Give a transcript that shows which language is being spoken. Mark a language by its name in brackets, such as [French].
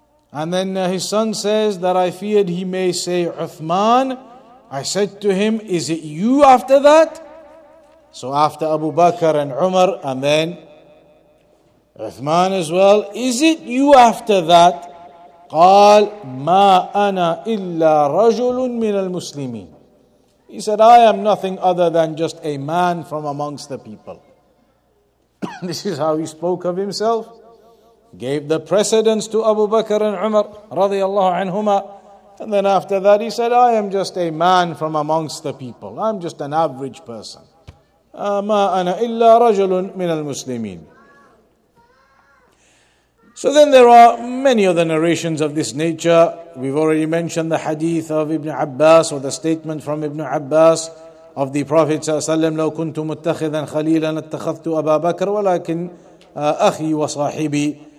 [English] And then his son says that I feared he may say Uthman. I said to him, is it you after that? So after Abu Bakr and Umar, and then Uthman as well, is it you after that? [Arabic] قال ما أنا إلا رجل من المسلمين. [English] He said, I am nothing other than just a man from amongst the people. This is how he spoke of himself. Gave the precedence to Abu Bakr and Umar رضي الله عنهما. And then after that he said, I am just a man from amongst the people. I'm just an average person. [Arabic] ما أنا إلا رجل من المسلمين. [English] So then there are many other narrations of this nature. We've already mentioned the hadith of Ibn Abbas, or the statement from Ibn Abbas of the Prophet صلى الله عليه وسلم, [Arabic] لو كنت متخذا خليلا اتخذت أبا بكر ولكن أخي وصاحبي.